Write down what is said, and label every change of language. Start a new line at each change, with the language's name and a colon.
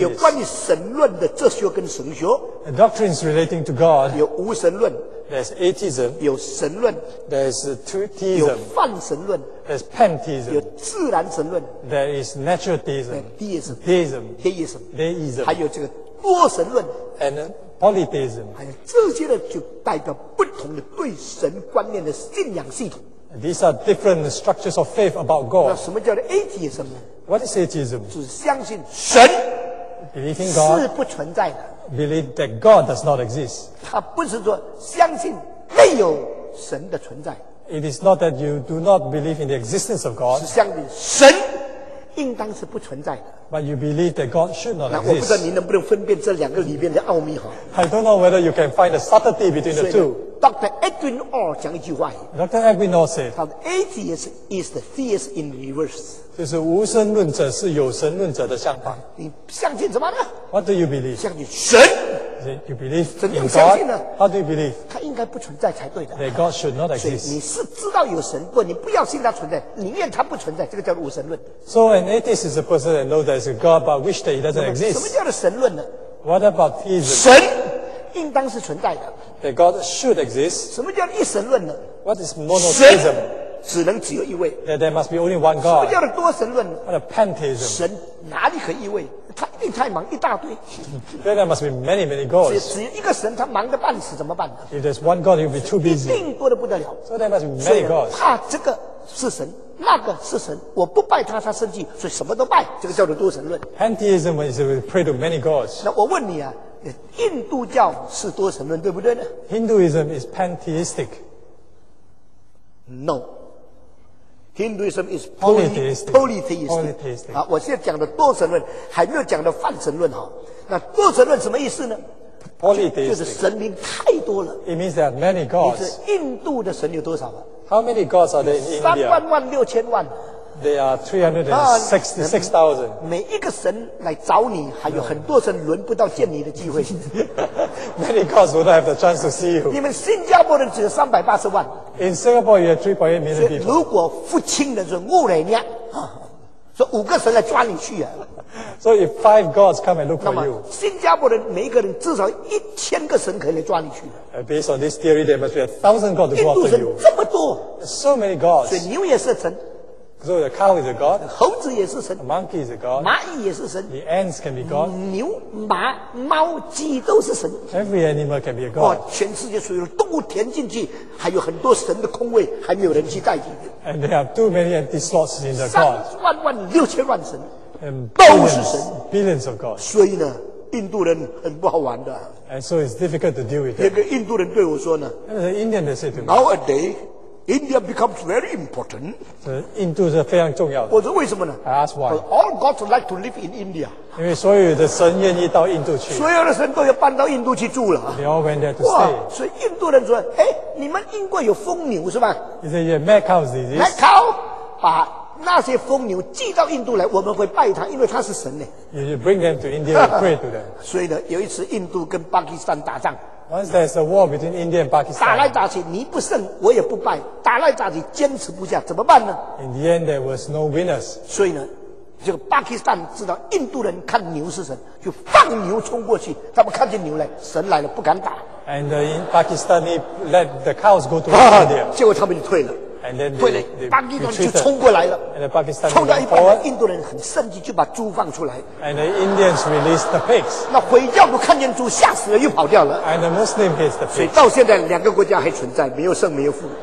Chinese: 有关于神论的哲学跟神学。
English: The doctrines relating to God.
Chinese: 有无神论。
English: There's atheism.
Chinese: 有神论。
English: There's theism.
Chinese: 有泛神论。
English: There's pantheism.
Chinese: 有自然神论。
English: There is natural theism. Deism. Deism. Theism. Deism.
Chinese: 还有这个多神论。
English: And polytheism.
Chinese: 还有这些呢，就代表不同的对神观念的信仰系统。
English: These are different structures of faith about God.
Chinese: 那什么叫做 atheism 呢？
English: What is atheism?
Chinese: 就是相信神。
English: Believing God.
Chinese: 是不存在的。
English: Believe that God does not exist.
Chinese: 他不是说相信没有神的存在。
English: It is not that you do not believe in the existence of God.
Chinese: 是相信神应当是不存在的。
English: But you believe that God should not exist.
Chinese: 那我不知道你能不能分辨这两个里面的奥秘哈。
English: I don't know whether you can find the subtlety between the two. Dr.
Chinese: Edwin Orr 讲一句话。
English: Dr. Edwin Orr said, "The atheist is the theist in reverse."
Chinese: 就是无神论者是有神论者的相反。你相信什么呢？
English: What do you believe?
Chinese: 相信神。
English: You believe in God?
Chinese: 怎样相信呢？
English: How do you believe?
Chinese: 他应该不存在才对的。
English: That God should not exist.
Chinese: 所以你是知道有神，不，你不要信他存在，宁愿他不存在，这个叫无神论。
English: So an atheist is a person that knows there is a God but wish that he doesn't exist.
Chinese: 什么叫做神论呢？
English: What about theism?
Chinese: 神应当是存在的。
English: That God should exist.
Chinese: 什么叫一神论呢？
English: What is monotheism?
Chinese: 只能只有一位。
English: That there must be only one God.
Chinese: 什么叫做多神论呢？
English: What a pantheism.
Chinese: 神哪里可一位？他一定太忙一大堆。
English: There must be many, many gods.
Chinese: 只有一个神，他忙得半死怎么办呢？
English: If there's one god, he'll be too busy.
Chinese: 一定多得不得了。
English: So there must be many gods.
Chinese: 怕这个是神，那个是神，我不拜他，他生气，所以什么都拜。这个叫做多神论。
English: Pantheism is we pray to many gods.
Chinese: 那我问你啊，印度教是多神论对不对呢？
English: Hinduism is pantheistic. No. Hinduism is polytheistic.
Chinese: 我现在讲的多神论还没有讲到泛神论。那多神论什么意思呢？
English: Polytheistic.
Chinese: 就是神明太多了。
English: It means there are many gods.
Chinese: 印度的神有多少？
English: How many gods are there in India? 36,000,000. There are 366,000.
Chinese: 每一个神来找你，还有很多神轮不到见你的机会。
English: Many gods would not have the chance to see you.
Chinese: 你们新加坡人只有380,000。
English: In Singapore, you have 3.8 million people.
Chinese: 如果父亲的是恶人呀，说五个神来抓你去啊。
English: So if five gods come and look for you.
Chinese: 新加坡人每一个人至少1,000个神可以来抓你去。
English: Based on this theory, there must be 1,000 gods to go after you.
Chinese: 印度神这么多。
English: So many gods.
Chinese: 所以牛也是神。
English: So the cow is a god.
Chinese: 猴子也是神。
English: A monkey is a god.
Chinese: 蚂蚁也是神。
English: The ants can be god.
Chinese: 牛、马、猫、鸡都是神。
English: Every animal can be a god.
Chinese: 全世界所有动物填进去，还有很多神的空位还没有人去代替。
English: And there are too many empty slots in the god.
Chinese: 36,000,000神。都是神，
English: billions of God.
Chinese: 所以呢, 印度人很不好玩的,
English: and so it's difficult to deal with that.
Chinese: 印度人对我说呢,
English: and the Indian they said to me, nowadays, India becomes very important.
Chinese: 印度是非常重要的。我说为什么呢?
English: I asked why. All gods like to live in India.
Chinese: 因为所有的神愿意到印度去。所有的神都要搬到印度去住了。
English: They all went there to stay.
Chinese: 所以印度人说, 嘿, 你们英国有疯牛是吧?
English: He said, yeah, mad cow disease.
Chinese: Mad cow, 把那些疯牛寄到印度来, 我们会拜他, 因为他是神呢。
English: You bring them to India and pray to them.
Chinese: 所以呢, 有一次印度跟巴基斯坦打仗。
English: Once there's a war between India and Pakistan,
Chinese: 打来打去, 你不胜, 我也不败, 打来打去, 坚持不下, 怎么办呢?
English: In the end, there was no winners.
Chinese: 所以呢, 这个巴基斯坦知道印度人看牛是神, 就放牛冲过去, 他们看见牛来, 神来了, 不敢打。
English: And in Pakistan, he let the cows go to India.
Chinese: 结果他们就退了。
English: And then they,
Chinese: 对了, 巴基斯坦就冲过来了,
English: and the Pakistan
Chinese: 冲到一半, 印度人很生气, 就把猪放出来,
English: and the Indians released the pigs.
Chinese: 那回教不看见猪, 吓死了, 又跑掉了,
English: and the Muslim hates the pigs.
Chinese: 所以到现在, 两个国家还存在, 没有胜, 没有负,